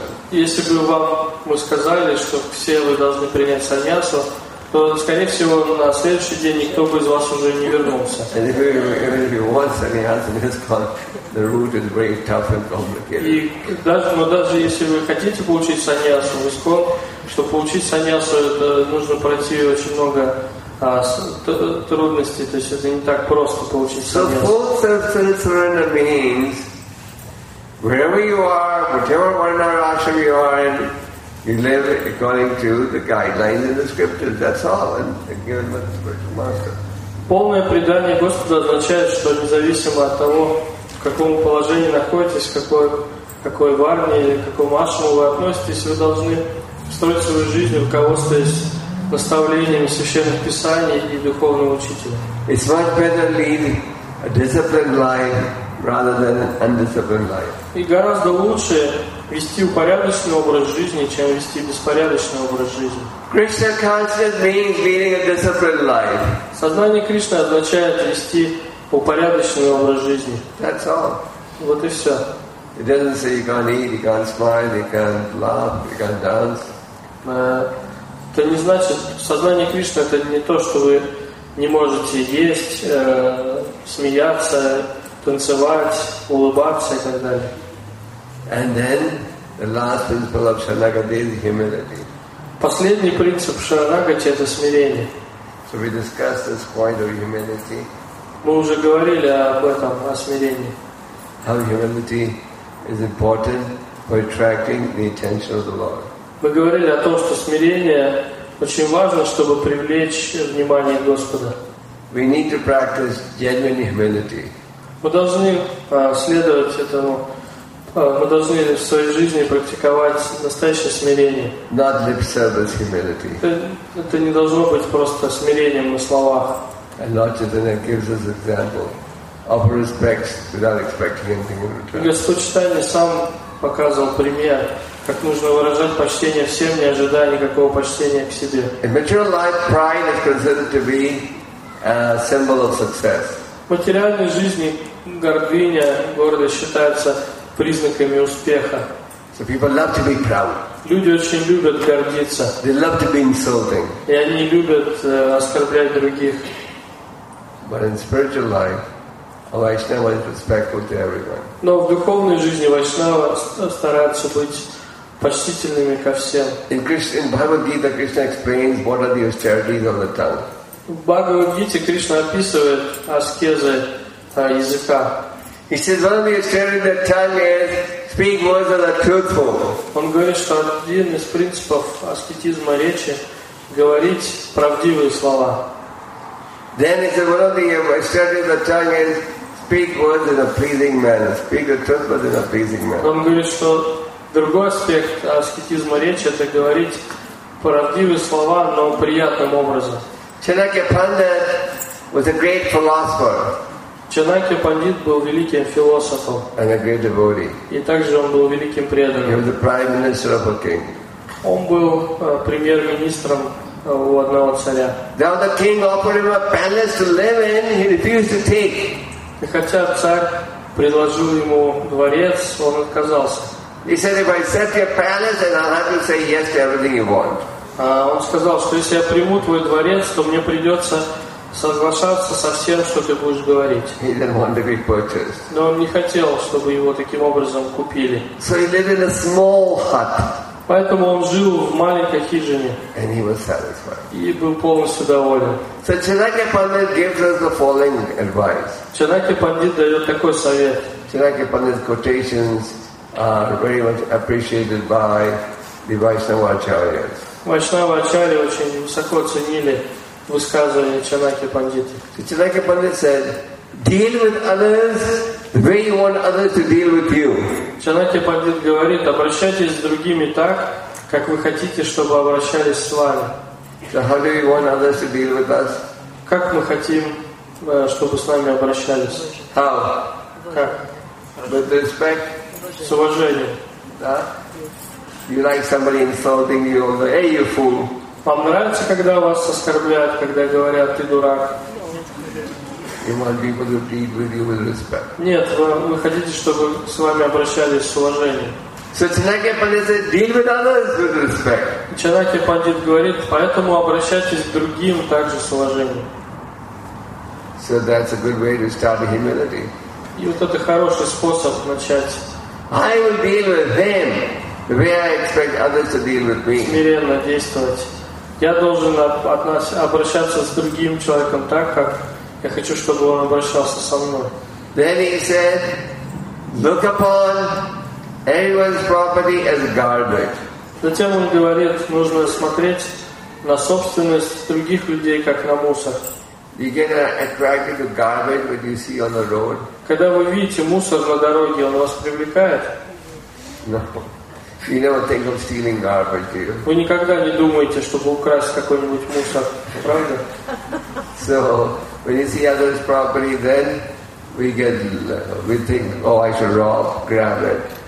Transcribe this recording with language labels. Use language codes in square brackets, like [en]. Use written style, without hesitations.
[ru] Если бы вам мы сказали, что все вы должны принять саньясу, то, скорее всего, на следующий день никто бы из вас уже не вернулся. [en] And if you want sannyas in this part, the route is very tough and complicated. [ru] Но даже если вы хотите получить саньясу, чтобы получить саньясу, это нужно пройти очень много трудностей, то есть это не так просто получить саньясу. [en] So full self-surrender means wherever you are, whatever varnashram you are in, you live according to the guidelines in the scriptures. That's all, and given by the spiritual master. [ru] Полное предание Господу означает, что независимо от того, в каком положении находитесь, какой варне или какому ашраму вы относитесь, вы должны строить свою жизнь, руководствуясь наставлениями священных писаний и духовного учителя. [en] It's much better lead a disciplined life rather than an undisciplined life. [ru] И гораздо лучше вести упорядоченный образ жизни, чем вести беспорядочный образ жизни. [en] Krishna consciousness means leading a disciplined life. [ru] Сознание Кришны означает вести упорядоченный образ жизни. [en] That's all. [ru] Вот и все. [en] It doesn't say you can't eat, you can't smile, you can't laugh, you can't dance. [ru] Это не значит, сознание Кришны это не то, что вы не можете есть, смеяться, танцевать, улыбаться и так далее. [en] And then the last principle of Sharanagati is humility. [ru] Последний принцип Шаранагати это смирение. [en] So we discussed this point of humility. [ru] Мы уже говорили об этом, о смирении. [en] How humility is important for attracting the attention of the Lord. [ru] Мы говорили о том, что смирение очень важно, чтобы привлечь внимание Господа. [en] We need to practice genuine humility. [ru] Мы должны следовать этому. Мы должны в своей жизни практиковать настоящее смирение. [en] Not lip service humility. [ru] Это не должно быть просто смирением на словах. [en] And Lord Chaitanya gives us example of respect without expecting anything in return. [ru] Господь Читание сам показывал пример, как нужно выражать почтение всем, не ожидая никакого почтения к себе. [en] In material life, pride is considered to be a symbol of success. [ru] В материальной жизни гордыня, гордость считается признаками успеха. [en] So people love to be proud. [ru] Люди очень любят гордиться. [en] They love to be insulting. [ru] И они любят оскорблять других. [en] But in spiritual life, a Vaishnava is respectful to everyone. [ru] Но в духовной жизни Вайшнава старается быть почтительными ко всем. [en] In Bhagavad Gita, Krishna explains what are the austerities of the tongue. [ru] В Бхагавад Гите Кришна описывает аскезы языка. [en] He says one of the austerities of the tongue is speak words that are truthful. [ru] Он говорит, что один из принципов аскетизма речи говорить правдивые слова. [en] Then he said, one of the studies of the tongue is speak words in a pleasing manner. Speak the truth words in a pleasing manner. [ru] Он говорит, что другой аспект аскетизма речи — это говорить правдивые слова, но приятным образом. [en] Chanakya Pandit was a great philosopher. [ru] Chanakya Pandit был великим философом. [en] And a great devotee. [ru] И также он был великим преданным. [en] He was the prime minister of a king. [ru] Он был премьер-министром у одного царя. [en] Now the king offered him a palace to live in, he refused to take. [ru] И хотя царь предложил ему дворец, он отказался. [en] He said, if I set your palace, then I'll have to say yes to everything you want. [ru] Он сказал, что если я приму твой дворец, то мне придется соглашаться со всем, что ты будешь говорить. [en] He didn't want to be purchased. [ru] Но он не хотел, чтобы его таким образом купили. [en] So he lived in a small hut. [ru] Поэтому он жил в маленькой хижине. [en] And he was satisfied. [ru] И был полностью доволен. [en] So Chanakya Pandit gives us the following advice. [ru] Chanakya Pandit дает такой совет. [en] Chanakya Pandit's quotations are very much appreciated by the Vaishnava Acharyas. [ru] Vaishnava Acharya очень высоко ценили высказывания Chanakya Pandita. [en] So Chanakya Pandit said, deal with others the way you want others to deal with you. [ru] Chanakya Pandit говорит, обращайтесь с другими так, как вы хотите, чтобы обращались с вами. [en] So how do you want others to deal with us? [ru] Как мы хотим, чтобы с нами обращались? [en] How? [ru] Как? [en] With respect. [ru] С уважением. Да? [en] You like somebody insulting you, like, hey, you fool. [ru] Вам нравится, когда вас оскорбляют, когда говорят, ты дурак? [en] You want people to treat with you with respect. [ru] Нет, вы хотите, чтобы с вами обращались с уважением. [en] So Chanakya Pandit said, deal with others with respect. [ru] Chanakya Pandit говорит, поэтому обращайтесь к другим также с уважением. [en] So that's a good way to start humility. [ru] И вот это хороший способ начать. [en] I will deal with them the way I expect others to deal with me. [ru] Смиренно действовать. Я должен обращаться с другим человеком так, как я хочу, чтобы он обращался со мной. [en] Then he said, look upon everyone's property as garbage. [ru] Затем он говорит, нужно смотреть на собственность других людей как на мусор. [en] You get attracted to garbage when you see on the road. [ru] Когда вы видите мусор на дороге, он вас привлекает? [en] No. You never think of stealing garbage, do you? [ru] Вы никогда не думаете, чтобы украсть какой-нибудь мусор, правда? [en] So when you see others' property, then we think, oh, I should rob, grab it.